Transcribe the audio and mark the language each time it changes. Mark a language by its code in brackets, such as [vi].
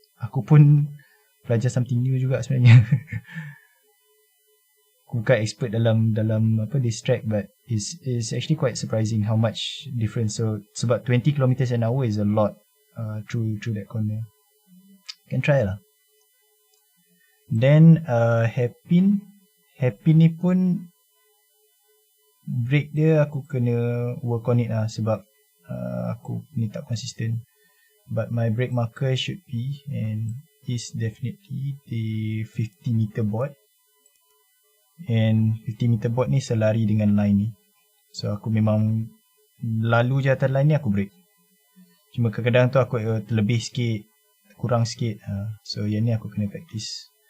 [ms] Aku pun belajar [en] something new [ms] juga sebenarnya. Aku bukan expert dalam apa [en] this track, but it's actually quite surprising how much difference. So, [ms] sebab [en] 20 kilometers an hour is a lot through that corner. Can try lah. [ms] Then, Hairpin ni pun brake dia aku kena [en] work on it [ms] lah sebab aku ni tak consistent. [en] But my brake marker should be and is definitely the 50-meter board. [ms] And 50-meter board ni selari dengan line ni. So aku memang lalu je atas line ni aku brake. Cuma kadang-kadang tu aku terlebih sikit, kurang sikit. So yang ni aku kena practice.